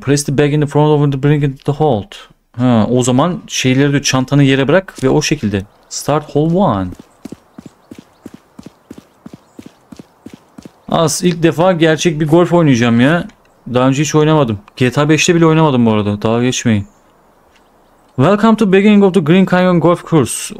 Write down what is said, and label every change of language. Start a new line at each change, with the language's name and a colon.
English: Press the bag in the front of the bring it to halt.
Turkish: Ha, o zaman şeyleri diyor, çantanı yere bırak ve o şekilde.
English: Start hole one.
Turkish: Az ilk defa gerçek bir golf oynayacağım ya. Daha önce hiç oynamadım. GTA 5'te bile oynamadım bu arada. Daha geçmeyin.
English: Welcome to beginning of the Green Canyon Golf Course.